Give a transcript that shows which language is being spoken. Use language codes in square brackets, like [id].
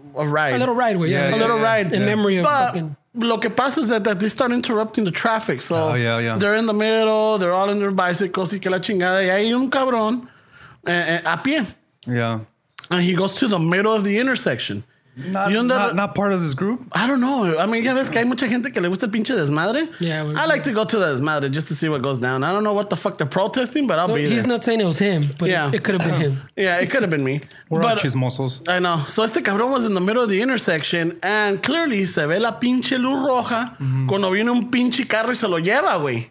[en] A little ride, way. Yeah. A little ride. In memory of fucking... [es] Lo que pasa es [en] that they start interrupting the traffic. So yeah. They're in the middle, they're all in their bicycles, [es] y que la chingada, y hay un cabrón a pie. [en] Yeah. And he goes to the middle of the intersection. Not part of this group? I don't know. I mean, [es] ya ves que hay mucha gente que le gusta el pinche desmadre. [en] Yeah. I like to go to the desmadre just to see what goes down. I don't know what the fuck they're protesting, but I'll be there. He's not saying it was him, but it could have been him. Yeah, it could have been me. We're all chismosos. I know. So [es] este cabrón [en] was in the middle of the intersection, and clearly [es] se ve la pinche luz roja cuando viene un pinche carro y se lo lleva, güey.